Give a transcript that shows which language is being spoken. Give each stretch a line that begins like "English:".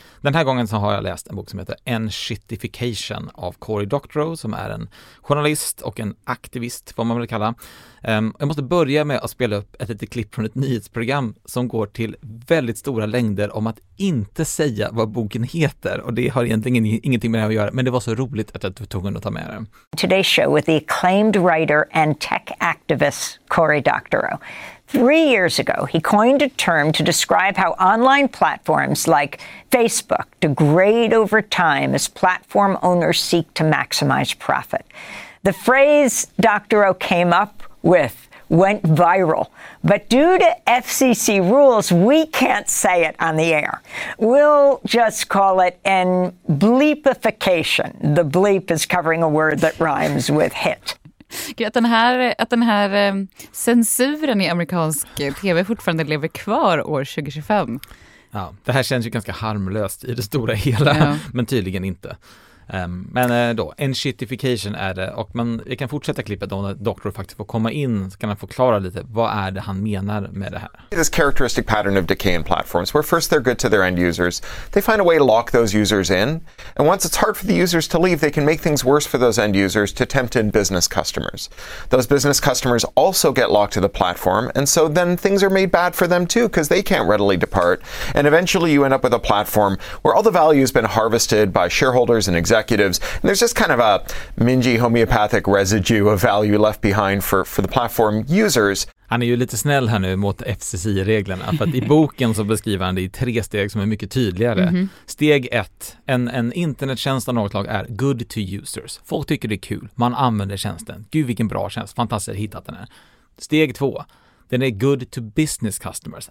Swedish: Den här gången så har jag läst en bok som heter Enshittification av Cory Doctorow, som är en journalist och en aktivist, får man väl kalla. Jag måste börja med att spela upp ett litet klipp från ett nyhetsprogram som går till väldigt stora längder om att inte säga vad boken heter. Och det har egentligen ingenting med det att göra, men det var så roligt att jag tog en att ta med den.
English: Today's show with the acclaimed writer and tech activist Cory Doctorow. 3 years ago, he coined a term to describe how online platforms like Facebook degrade over time as platform owners seek to maximize profit. The phrase Doctorow came up with went viral, but due to FCC rules, we can't say it on the air. We'll just call it an bleepification. The bleep is covering a word that rhymes with hit.
Swedish: Gud, att den här censuren i amerikansk tv fortfarande lever kvar år 2025. Ja, det här känns ju ganska harmlöst i det stora hela, ja. Men tydligen inte. Men då, enshittification är det, och vi kan fortsätta klippet då när Doctorow faktiskt får komma in, så kan han förklara lite vad är det han menar med det här.
English: This characteristic pattern of decay in platforms where first they're good to their end users, they find a way to lock those users in, and once it's hard for the users to leave, they can make things worse for those end users to tempt in business customers. Those business customers also get locked to the platform, and so then things are made bad for them too, because they can't readily depart, and eventually you end up with a platform where all the value has been harvested by shareholders and executives, and there's just kind of a mingy homeopathic residue of value left behind for the platform users.
Swedish: Han är ju lite snäll här nu mot FCC-reglerna, för att i boken så beskriver han det i tre steg som är mycket tydligare. Mm-hmm. Steg ett, en internettjänst av något slag är good to users. Folk tycker det är kul, man använder tjänsten. Gud vilken bra tjänst, fantastiskt hittat den här. Steg två, den är good to business customers.